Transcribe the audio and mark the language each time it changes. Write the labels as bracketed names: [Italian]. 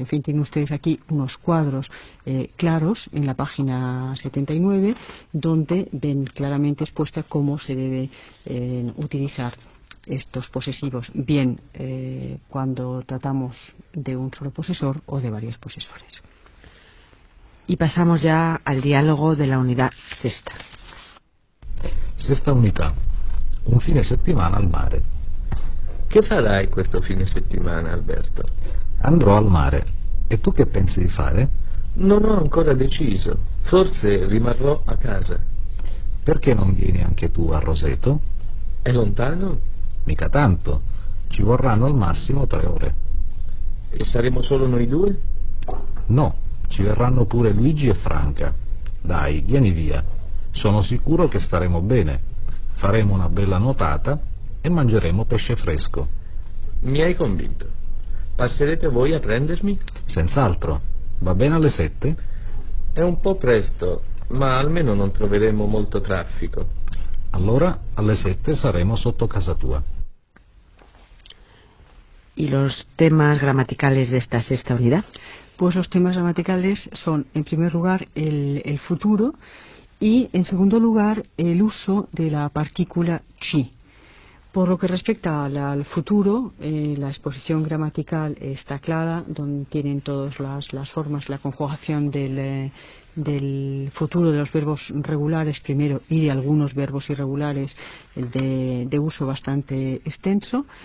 [Spanish] En fin, tienen ustedes aquí unos cuadros claros en la página 79, donde ven claramente expuesta cómo se debe utilizar estos posesivos, bien cuando tratamos de un solo posesor o de varios posesores. Y pasamos ya al diálogo de la unidad sexta. [Italian] Sexta unità. Un fine settimana al mare. Che farai questo fine settimana, Alberto? Andrò al mare. E tu che pensi di fare? Non ho ancora deciso. Forse rimarrò a casa. Perché non vieni anche tu a Roseto? È lontano? Mica tanto. Ci vorranno al massimo 3 ore. E saremo solo noi due? No, ci verranno pure Luigi e Franca. Dai, vieni via. Sono sicuro che staremo bene. Faremo una bella nuotata e mangeremo pesce fresco. Mi hai convinto. Passerete voi a prendermi? Senz'altro. Va bene alle 7? È un po' presto, ma almeno non troveremo molto traffico. Allora alle 7 saremo sotto casa tua. [Spanish] ¿Y los temas gramaticales de esta sexta unidad? Pues los temas gramaticales son, en primer lugar, el futuro y, en segundo lugar, el uso de la partícula ci. Por lo que respecta al futuro, la exposición gramatical está clara, donde tienen todas las formas, la conjugación del futuro de los verbos regulares primero y de algunos verbos irregulares de uso bastante extenso.